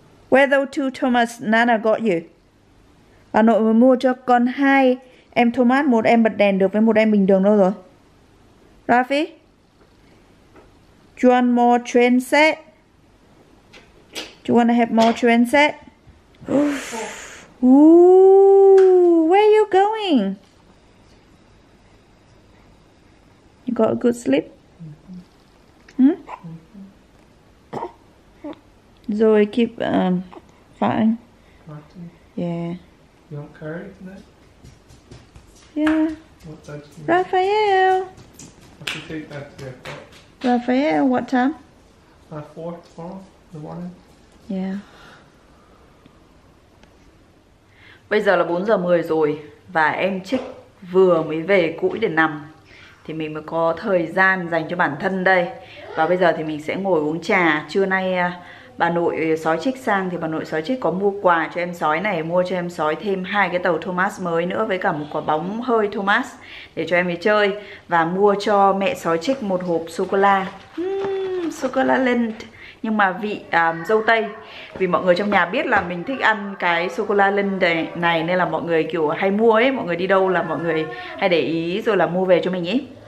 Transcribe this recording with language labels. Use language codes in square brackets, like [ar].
[en] Where those two Thomas Nana got you? [vi] Bà nội mới mua cho con hai em Thomas, một em bật đèn được với một em bình thường đâu rồi. [en] Rafi? Do you want more train set? Do you want to have more train set? Ooh, where are you going? You got a good sleep? [vi] Rồi [en] keep... Fine. You want curry tonight? Yeah. What time? Raphael. I should take that to the airport. Raphael, what time? At 4 tomorrow, the morning. Yeah. [vi] Bây giờ là 4:10 rồi và em Trích vừa mới về cũi để nằm. Thì mình mới có thời gian dành cho bản thân đây. Và bây giờ thì mình sẽ ngồi uống trà. Trưa nay bà nội sói trích sang thì bà nội sói trích có mua quà cho em sói này, mua cho em sói thêm hai cái tàu Thomas mới nữa với cả một quả bóng hơi Thomas để cho em ấy chơi, và mua cho mẹ sói trích một hộp sô cô la sô cô la Lindt nhưng mà vị dâu tây, vì mọi người trong nhà biết là mình thích ăn cái sô cô la Lindt này nên là mọi người kiểu hay mua ấy, mọi người đi đâu là mọi người hay để ý rồi là mua về cho mình ấy.